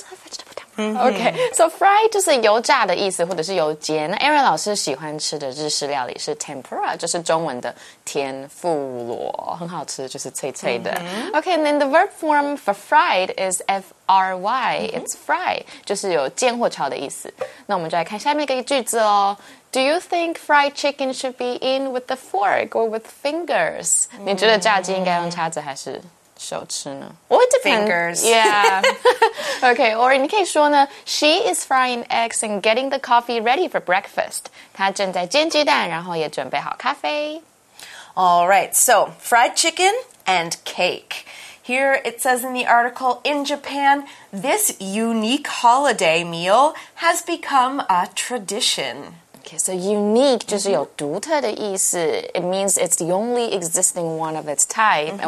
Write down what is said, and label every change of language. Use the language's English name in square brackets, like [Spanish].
[English] I love vegetable tempura. Mm-hmm. Okay, so fried [Chinese] 就是油炸的意思或者是油煎。那 Aaron 老师喜欢吃的日式料理是 tempura, 就是中文的天妇罗。很好吃就是脆脆的。Mm-hmm. [English] Okay, and then the verb form for fried is fry,、mm-hmm. it's fry, [Chinese] 就是有煎或炒的意思。那我们就来看下面一个句子哦。 [English] Do you think fried chicken should be in with the fork or with fingers?、Mm-hmm. [Chinese] 你觉得炸鸡应该用叉子还是手吃呢？ [English] Well, it depends. Fingers. Yeah. Okay, or [Chinese] 你可以说呢 [English] she is frying eggs and getting the coffee ready for breakfast. [Chinese] 她正在煎鸡蛋然后也准备好咖啡。 [English] All right, so fried chicken and cake. Here it says in the article, in Japan, this unique holiday meal has become a tradition. [Chinese] Okay, so unique 就是有独特的意思、mm-hmm. [English] It means it's the only existing one of its type、mm-hmm.